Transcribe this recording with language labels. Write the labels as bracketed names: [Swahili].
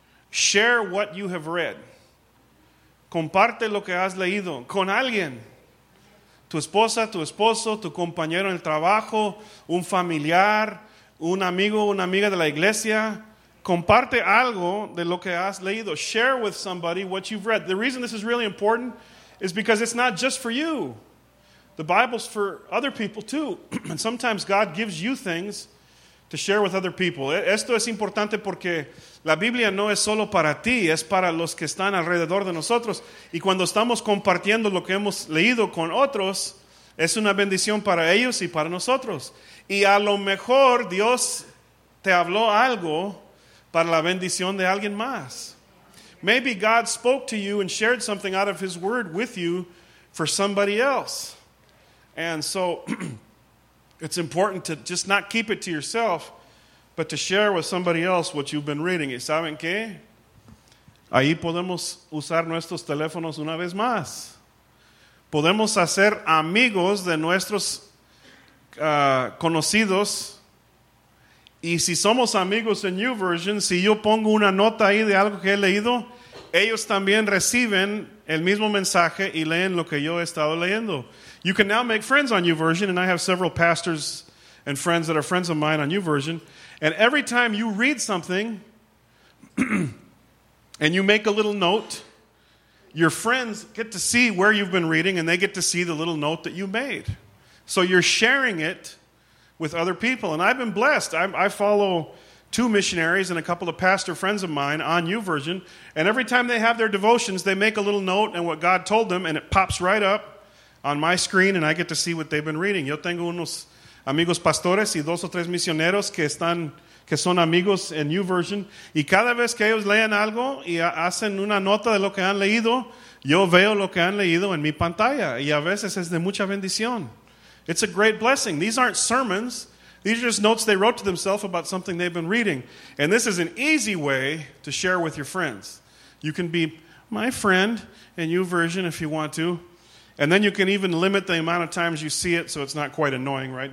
[English] Share what you have read. [Spanish] Comparte lo que has leído con alguien. Tu esposa, tu esposo, tu compañero en el trabajo, un familiar, un amigo, una amiga de la iglesia. Comparte algo de lo que has leído. [English] Share with somebody what you've read. The reason this is really important is because it's not just for you. The Bible's for other people too. And sometimes God gives you things to share with other people. [Spanish] Esto es importante porque la Biblia no es solo para ti, es para los que están alrededor de nosotros. Y cuando estamos compartiendo lo que hemos leído con otros, Es una bendición para ellos y para nosotros. Y a lo mejor Dios te habló algo para la bendición de alguien más. [English] Maybe God spoke to you and shared something out of his word with you for somebody else. And so it's important to just not keep it to yourself, but to share with somebody else what you've been reading. [Spanish] ¿Y saben qué? Ahí podemos usar nuestros teléfonos una vez más. Podemos hacer amigos de nuestros conocidos. Y si somos amigos en YouVersion, si yo pongo una nota ahí de algo que he leído, ellos también reciben el mismo mensaje y leen lo que yo he estado leyendo. [English] You can now make friends on YouVersion, and I have several pastors and friends that are friends of mine on YouVersion. And every time you read something and you make a little note, your friends get to see where you've been reading, and they get to see the little note that you made. So you're sharing it with other people. And I've been blessed. I follow two missionaries and a couple of pastor friends of mine on YouVersion. And every time they have their devotions, they make a little note and what God told them, and it pops right up on my screen, and I get to see what they've been reading. [Spanish] Yo tengo unos amigos pastores y dos o tres misioneros que son amigos en YouVersion. Y cada vez que ellos leen algo y hacen una nota de lo que han leído, yo veo lo que han leído en mi pantalla. Y a veces es de mucha bendición. [English] It's a great blessing. These aren't sermons. These are just notes they wrote to themselves about something they've been reading. And this is an easy way to share with your friends. You can be my friend in YouVersion if you want to. And then you can even limit the amount of times you see it so it's not quite annoying, right?